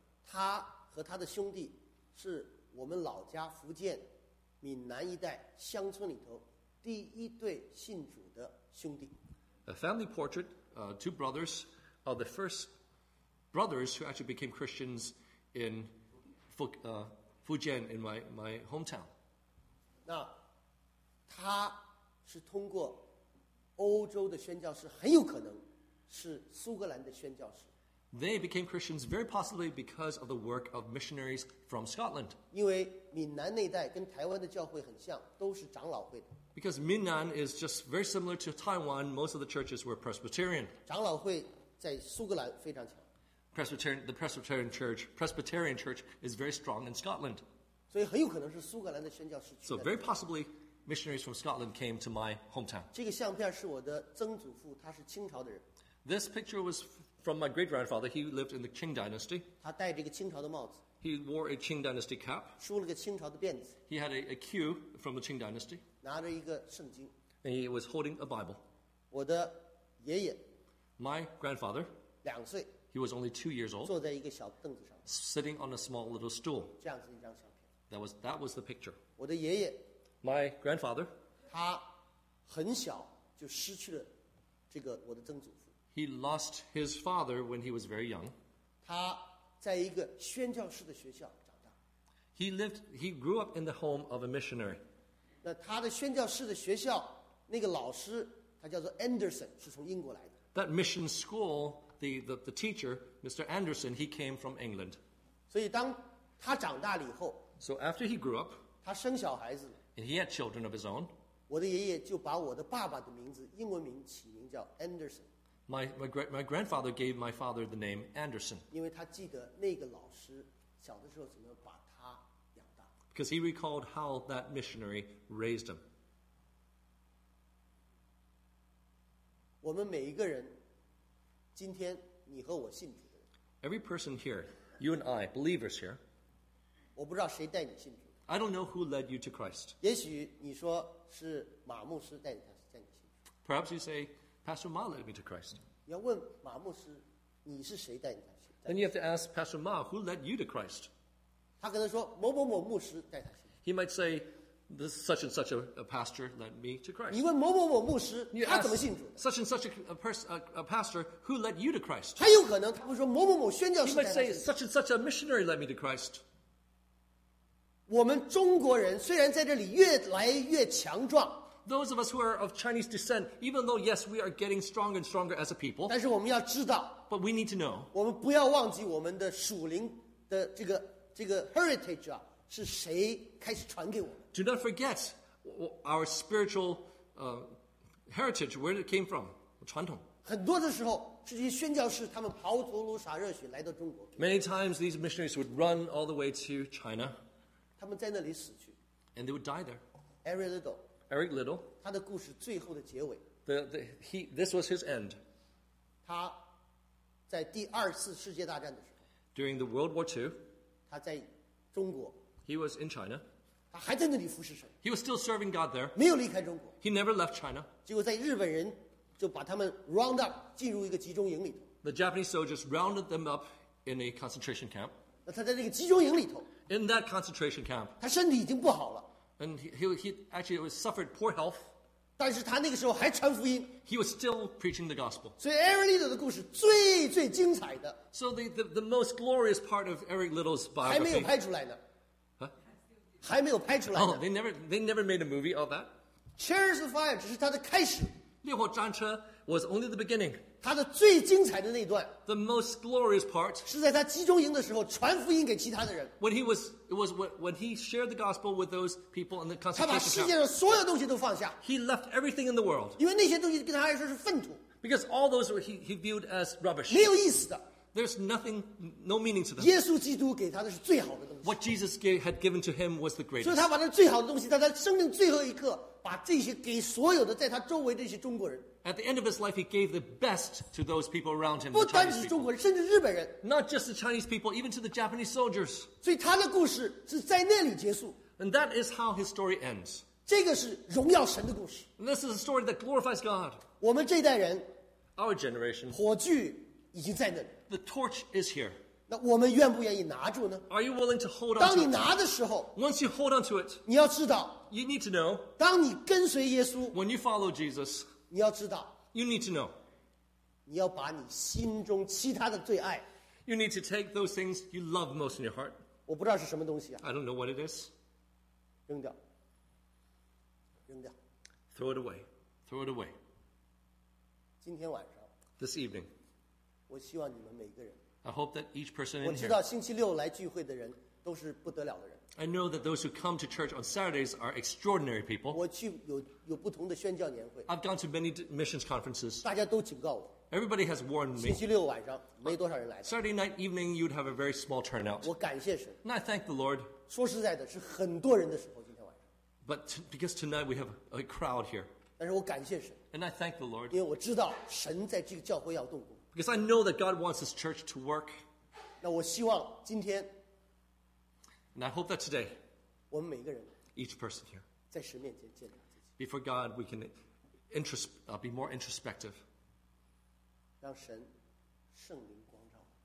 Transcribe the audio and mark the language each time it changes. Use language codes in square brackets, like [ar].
[zh] 他和他的兄弟是我们老家福建闽南一带乡村里头第一对信主的兄弟。 [en] A family portrait, two brothers are the first brothers who actually became Christians in Fujian in my hometown. [zh] 那他是通过欧洲的宣教士，很有可能。是苏格兰的宣教士。 [en] They became Christians very possibly because of the work of missionaries from Scotland. [zh] 因为闽南那代跟台湾的教会很像，都是长老会的。 [en] Because Minnan is just very similar to Taiwan, most of the churches were Presbyterian. [zh] 长老会在苏格兰非常强。 [en] Presbyterian Church is very strong in Scotland. [zh] 所以很有可能是苏格兰的宣教士。 [en] So very possibly. Missionaries from Scotland came to my hometown. [zh] 这个相片是我的曾祖父，他是清朝的人。 [en] This picture was from my great grandfather. He lived in the Qing dynasty. [zh] 他戴着一个清朝的帽子。 [en] He wore a Qing dynasty cap. [zh] 梳了个清朝的辫子。 [en] He had a queue from the Qing dynasty. [zh] 拿着一个圣经。 [en] And he was holding a Bible. [zh] 我的爷爷。 [en] My grandfather. [zh] 两岁。 [en] He was only 2 years old. [zh] 坐在一个小凳子上。 [en] Sitting on a small little stool. [zh] 这样子一张相片。 [en] That was the picture. [zh] 我的爷爷。 [en] My grandfather. [zh] 他很小就失去了这个我的曾祖父。 [en] He lost his father when he was very young. [zh] 他在一个宣教士的学校长大。 [en] He grew up in the home of a missionary. [zh] 那他的宣教士的学校那个老师他叫做 Anderson 是从英国来的。 [en] That mission school, the teacher, Mr. Anderson, he came from England. [zh] 所以当他长大了以后 [en] So after he grew up, [zh] 他生小孩子 [en] and he had children of his own, [zh] 我的爷爷就把我的爸爸的名字英文名起名叫 Anderson. [en] My grandfather gave my father the name Anderson. [zh] 因为他记得那个老师小的时候怎么把他养大。 [en] Because he recalled how that missionary raised him. [zh] 我们每一个人今天你和我信主的人 [en] Every person here, you and I, believers here, [zh] 我不知道谁带你信主的。 [en] I don't know who led you to Christ. [zh] 也许你说是马牧师带你信主。 [en] Perhaps you say, Pastor Ma led me to Christ. [zh] 你要问马牧师你是谁带你信主的。 [en] Then you have to ask Pastor Ma, who led you to Christ? [zh] 他可能说某某某牧师带他信主。 [en] He might say,This such and such a pastor led me to Christ. [zh] 你问某某某牧师，他怎么信主的 [en] ？Such and such a pastor who led you to Christ. [zh] 还有可能他会说某某某宣教士。 [en] He might say such and such a missionary led me to Christ. [zh] 我们中国人虽然在这里越来越强壮。 [en] Those of us who are of Chinese descent, even though yes, we are getting stronger and stronger as a people. [zh] 但是我们要知道。 [en] But we need to know. [zh] 我们不要忘记我们的属灵的这个 heritage 啊，是谁开始传给我们？ [en] Do not forget our spiritual heritage, where it came from, 传统。 [zh] 很多的时候，这些宣教士他们抛头颅洒热血来到中国。 [en] Many times these missionaries would run all the way to China. [zh] 他们在那里死去。 [en] And they would die there. [zh] Eric Little. 他的故事最后的结尾。 [en] This was his end. [zh] 他在第二次世界大战的时候。 [en] During the World War II. [zh] 他在中国。 [en] He was in China. [zh] 他还在那里服侍神。 [en] He was still serving God there. [zh] 没有离开中国。 [en] He never left China. [zh] 结果在日本人就把他们 [en] round up [zh] 进入一个集中营里头。 [en] The Japanese soldiers rounded them up in a concentration camp. [zh] 那他在那个集中营里头。 [en] In that concentration camp. [zh] 他身体已经不好了。 [en] And he actually was suffered poor health. [zh] 但是他那个时候还传福音。 [en] He was still preaching the gospel. [zh] 所以 Eric Little 的故事最最精彩的。 [en] So the most glorious part of Eric Little's biography. [zh] 还没有拍出来呢。还没有拍出来。 [en] Oh, they never made a movie of that. [zh] Chariots of Fire 只是它的开始。 [en] 烈火战车 was only the beginning. [zh] 它的最精彩的那一段。 [en] The most glorious part. [zh] 是在他集中营的时候传福音给其他的人。 [en] When he shared the gospel with those people in the concentration camp. [zh] 他把世界上所有东西都放下。 [en] He left everything in the world. [zh] 因为那些东西跟他来说是粪土。 [en] Because all those were he viewed as rubbish. [zh] 没有意思的。 [en] There's nothing, no meaning to them. [zh] 耶稣基督给他的是最好的东西。 [en] What Jesus had given to him was the greatest. [zh] 所以他把那最好的东西，在他生命最后一刻，把这些给所有的在他周围的这些中国人。 [en] At the end of his life, he gave the best to those people around him. [zh] 不单是中国人，甚至日本人。 [en] Not just the Chinese people, even to the Japanese soldiers. [zh] 所以他的故事是在那里结束。 [en] And that is how his story ends. [zh] 这个是荣耀神的故事。 [en] And this is a story that glorifies God. [zh] 我们这代人 [en] ，Our generation， [zh] 火炬已经在那里。 [en] The torch is here. [zh] 那我们愿不愿意拿住呢 [en] ？Are you willing to hold on? [zh] 当你拿的时候 [en] ，Once you hold on to it, [zh] 你要知道 [en] ，You need to know. [zh] 当你跟随耶稣 [en] ，When you follow Jesus, [zh] 你要知道 [en] ，You need to know. [zh] 你要把你心中其他的最爱 [en] ，You need to take those things you love most in your heart. [zh] 我不知道是什么东西啊 [en] ，I don't know what it is. [zh] 扔掉，扔掉 [en] ，Throw it away, throw it away. [zh] 今天晚上 [en] ，This evening. [zh] 我希望你们每个人。 [en] I hope that each person in [zh] here. 我知道星期六来聚会的人都是不得了的人。 [en] I know that those who come to church on Saturdays are extraordinary people. [zh] 我去有不同的宣教年会。 [en] I've gone to many missions conferences. [zh] 大家都警告我。 [en] Everybody has warned me. [zh] 星期六晚上没多少人来。 [en] Saturday night evening, you'd have a very small turnout. [zh] 我感谢神。 [en] And I thank the Lord. [zh] 说实在的，是很多人的时候，今天晚上。 [en] But because tonight we have a crowd here. [zh] 但是我感谢神。 [en] And I thank the Lord. [zh] 因为我知道神在这个教会要动工。 [en] Because I know that God wants His church to work. [zh] 那我希望今天。 [en] And I hope that today. [zh] 我们每个人。 [en] Each person here. [zh] 在神面前见证自己。 [en] Before God, we can be more introspective. [zh] 让神圣灵光照。